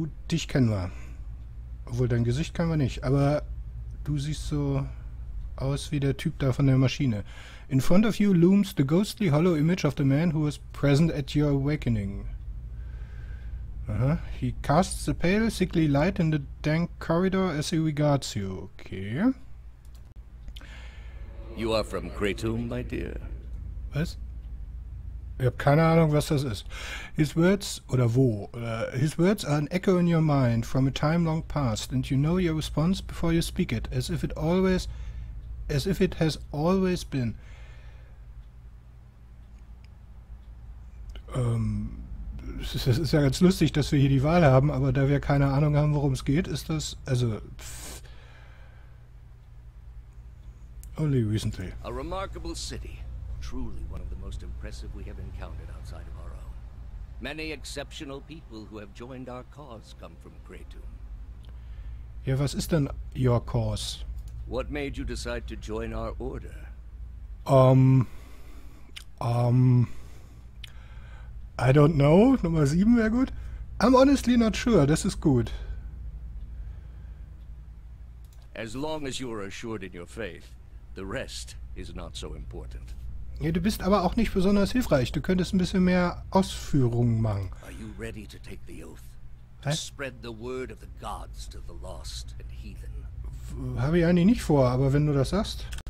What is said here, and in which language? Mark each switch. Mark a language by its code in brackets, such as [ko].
[de] Dich kennen wir. Obwohl, dein Gesicht kennen wir nicht. Aber du siehst so aus wie der Typ da von der Maschine. [en] In front of you looms the ghostly hollow image of the man who was present at your awakening. He casts a pale, sickly light in the dank corridor as he regards you. Okay. You are from Kratom, my dear. [de] Was? Ich hab keine Ahnung, was das ist. [en] His words, [de] oder wo? [en] His words are an echo in your mind from a time long past, and you know your response before you speak it, as if it has always been. [de] Es ist ja ganz lustig, dass wir hier die Wahl haben, aber da wir keine Ahnung haben, worum es geht, ist das... Also... [en] Only recently. A remarkable city. Truly one of the most impressive we have encountered outside of our own. Many exceptional people who have joined our cause come from Kratom. [de] Ja, was ist denn [en] your cause? What made you decide to join our order? I don't know. [de] Nummer 7 wäre gut. [en] I'm honestly not sure. [de] Das ist gut. [en] As long as you are assured in your faith, the rest is not so important. [de] Ja, du bist aber auch nicht besonders hilfreich. Du könntest ein bisschen mehr Ausführungen machen. [en] Are you ready to take the oath? Hä? To spread the word of the gods to the lost and heathen. [de] Habe ich eigentlich nicht vor, aber wenn du das sagst.